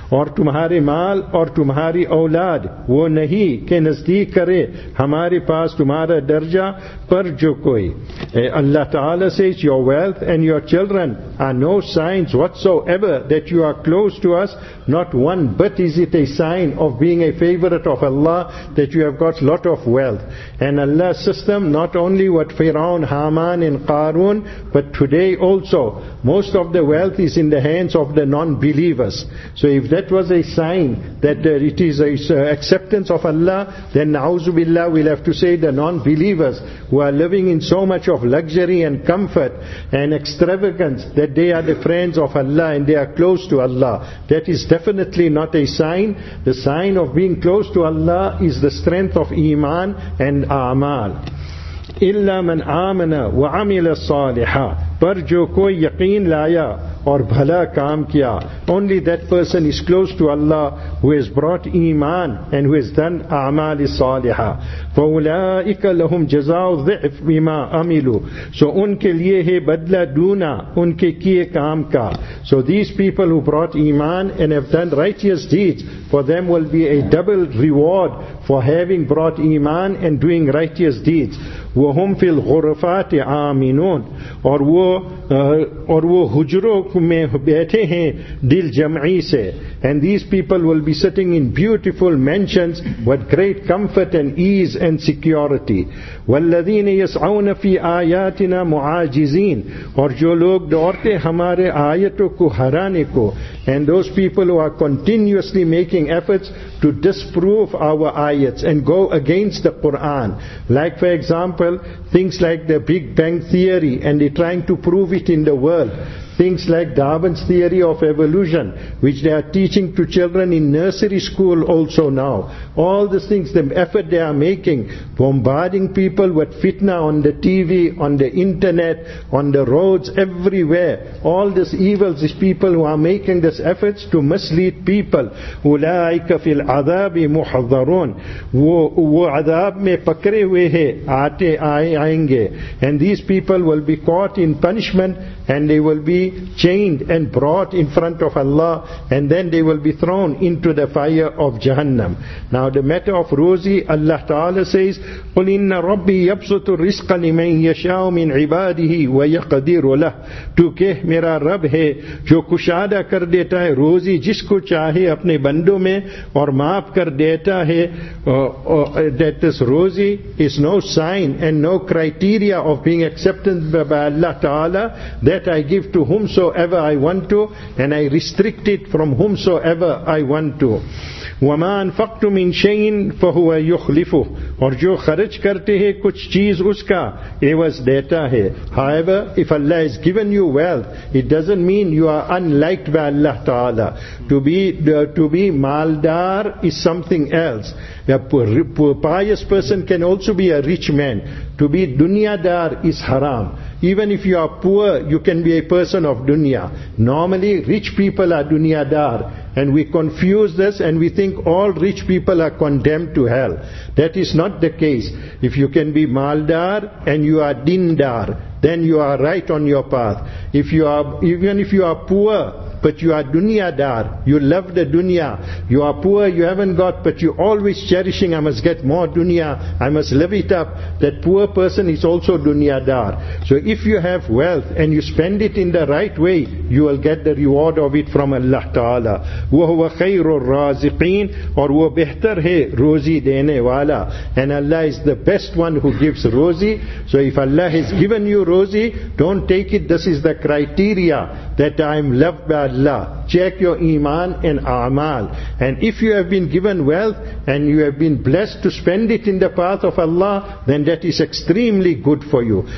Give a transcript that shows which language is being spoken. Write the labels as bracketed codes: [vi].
[ur] اور تمہارے مال اور تمہاری اولاد وہ نہیں کہ نزدیک کرے ہمارے پاس تمہارا درجہ پر جو کوئی. [en] اللہ تعالیٰ says, your wealth and your children are no signs whatsoever that you are close to us. Not one but is it a sign of being a favorite of Allah that you have got lot of wealth. And Allah's system, not only what Fir'aun, Haman and Qarun, but today also most of the wealth is in the hands of the non-believers. So if that was a sign that it is a acceptance of Allah, then na'uzu billah, we'll have to say the non-believers who are living in so much of luxury and comfort and extravagance that they are the friends of Allah and they are close to Allah. That is definitely not a sign. The sign of being close to Allah is the strength of iman and amal. [ar] إِلَّا مَنْ آمَنَ وَعَمِلَ الصَّالِحَةَ. [ur] پر جو کوئی یقین لایا اور بھلا کام کیا. [en] Only that person is close to Allah who has brought iman and who has done [ar] اعمال صالحة. فَأُولَٰئِكَ لَهُمْ جَزَاءُ ضِعْفِ بِمَا عَمِلُوا. [ur] So ان کے لیے ہے بدلہ دونا ان کے کیے کام کا. [en] So these people who brought iman and have done righteous deeds, for them will be a double reward for having brought iman and doing righteous deeds. [ar] وَهُمْ فِي الْغُرَفَاتِ آمِنُونَ. [ur] اور وہ حجروں میں بیٹھے ہیں دل جمعی سے. [en] And these people will be sitting in beautiful mansions with great comfort and ease and security. وَالَّذِينَ يَسْعَوْنَ فِي آيَاتِنَا مُعَاجِزِينَ. اور جو لوگ دوڑتے ہمارے آیتوں کو ہرانے کو. And those people who are continuously making efforts to disprove our ayats and go against the Quran. Like for example, things like the Big Bang Theory, and they're trying to prove it in the world. Things like Darwin's theory of evolution, which they are teaching to children in nursery school also now. All these things, the effort they are making, bombarding people with fitna on the TV, on the internet, on the roads, everywhere. All these evils, these people who are making these efforts to mislead people. [ar] أُولَٰئِكَ فِي الْعَذَابِ مُحَضَّرُونَ. [ur] وہ عذاب میں پکرے ہوئے ہیں, آتے آئیں گے. [en] And these people will be caught in punishment and they will be chained and brought in front of Allah, and then they will be thrown into the fire of Jahannam. Now the matter of Ruzi, Allah Ta'ala says, [ar] قُلْ إِنَّ رَبِّي يَبْسُطُ الرِّزْقَ لِمَنْ يَشَاءُ مِنْ عِبَادِهِ وَيَقْدِرُ لَهُ. [ur] تو کہ میرا رب ہے جو کشادہ کر دیتا ہے روزی جس کو چاہے اپنے بندوں میں اور معاف کر دیتا ہے. [en] That this روزی is no sign and no criteria of being accepted by Allah Ta'ala, that I give to whomsoever I want to, and I restrict it from whomsoever I want to. [ar] وَمَا أَنفَقْتُ مِنْ شَيْءٍ فَهُوَ يُخْلِفُهُ. [ur] اور جو خرج کرتے ہیں کچھ چیز اس کا عوض دیتا ہے. [en] However, if Allah has given you wealth, it doesn't mean you are unliked by Allah Ta'ala. To be maldar is something else. A pious person can also be a rich man. To be dunya dar is haram. Even if you are poor, you can be a person of dunya. Normally, rich people are dunya dar. And we confuse this and we think all rich people are condemned to hell. That is not the case. If you can be maldar and you are dindar, then you are right on your path. Even if you are poor, but you are dunya dar, you love the dunya. You are poor, you haven't got, but you're always cherishing, I must get more dunya, I must live it up. That poor person is also dunya dar. So if you have wealth and you spend it in the right way, you will get the reward of it from Allah Ta'ala. [ar] وَهُوَ خَيْرُ الرَّازِقِينَ. [ur] اور وہ بہتر ہے روزی دینے والا. [en] And Allah is the best one who gives روزی. So if Allah has given you روزی, don't take it, this is the criteria that I am loved by Allah. Check your iman and a'mal. And if you have been given wealth and you have been blessed to spend it in the path of Allah, then that is extremely good for you.